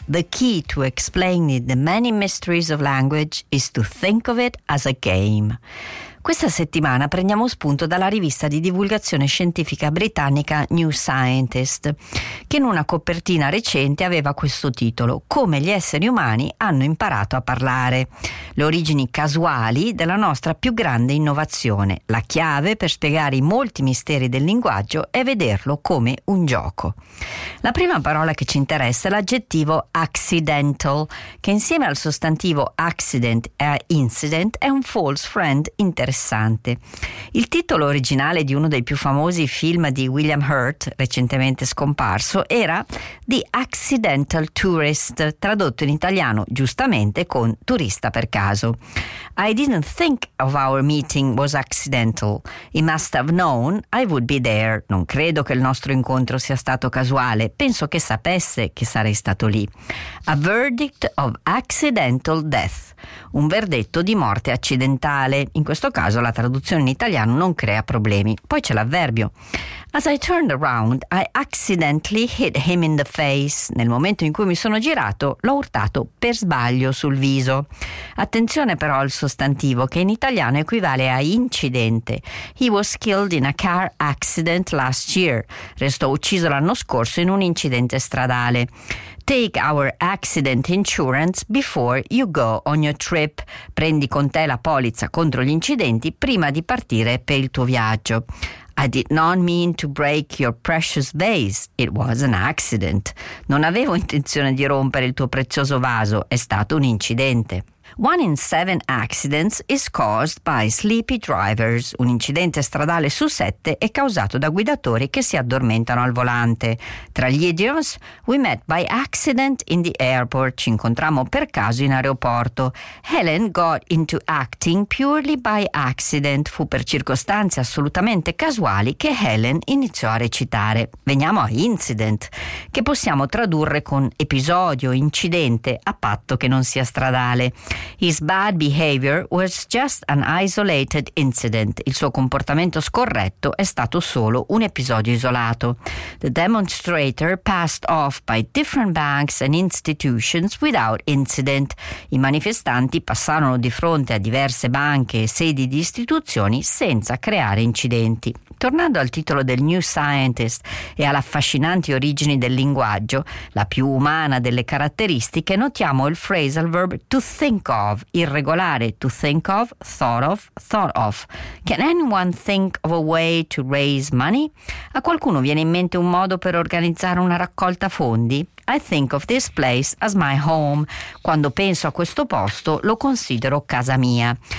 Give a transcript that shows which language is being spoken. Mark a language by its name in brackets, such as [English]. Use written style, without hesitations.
[English] The key to explaining the many mysteries of language is to think of it as a game. [Italian] Questa settimana prendiamo spunto dalla rivista di divulgazione scientifica britannica New Scientist, che in una copertina recente aveva questo titolo: Come gli esseri umani hanno imparato a parlare. Le origini casuali della nostra più grande innovazione, la chiave per spiegare i molti misteri del linguaggio e vederlo come un gioco. La prima parola che ci interessa è l'aggettivo accidental, che insieme al sostantivo accident e incident è un false friend interessante. Il titolo originale di uno dei più famosi film di William Hurt, recentemente scomparso, era The Accidental Tourist, tradotto in italiano giustamente con turista per caso. [English] I didn't think of our meeting was accidental. He must have known I would be there. [Italian] Non credo che il nostro incontro sia stato casuale. Penso che sapesse che sarei stato lì. [English] A verdict of accidental death. [Italian] Un verdetto di morte accidentale. In questo caso la traduzione in italiano non crea problemi. Poi c'è l'avverbio. [English] As I turned around, I accidentally hit him in the face. [Italian] Nel momento in cui mi sono girato, l'ho urtato per sbaglio sul viso. Attenzione però al sostantivo, che in italiano equivale a incidente. [English] He was killed in a car accident last year. [Italian] Restò ucciso l'anno scorso in un incidente stradale. [English] Take our accident insurance before you go on your trip. [Italian] Prendi con te la polizza contro gli incidenti prima di partire per il tuo viaggio. [English] I did not mean to break your precious vase. It was an accident. [Italian] Non avevo intenzione di rompere il tuo prezioso vaso. È stato un incidente. [English] One in seven accidents is caused by sleepy drivers. [Italian] Un incidente stradale su sette è causato da guidatori che si addormentano al volante. Tra gli [English] idioms, we met by accident in the airport. [Italian] Ci incontrammo per caso in aeroporto. [English] Helen got into acting purely by accident. [Italian] Fu per circostanze assolutamente casuali che Helen iniziò a recitare. Veniamo a incident, che possiamo tradurre con episodio, incidente, a patto che non sia stradale. [English] His bad behavior was just an isolated incident. [Italian] Il suo comportamento scorretto è stato solo un episodio isolato. [English] The demonstrator passed off by different banks and institutions without incident. [Italian] I manifestanti passarono di fronte a diverse banche e sedi di istituzioni senza creare incidenti. Tornando al titolo del New Scientist e alle affascinanti origini del linguaggio, la più umana delle caratteristiche, notiamo il phrasal verb [English] to think of, irregolare, to think of, thought of, thought of. Can anyone think of a way to raise money? [Italian] A qualcuno viene in mente un modo per organizzare una raccolta fondi? [English] I think of this place as my home. [Italian] Quando penso a questo posto, lo considero casa mia.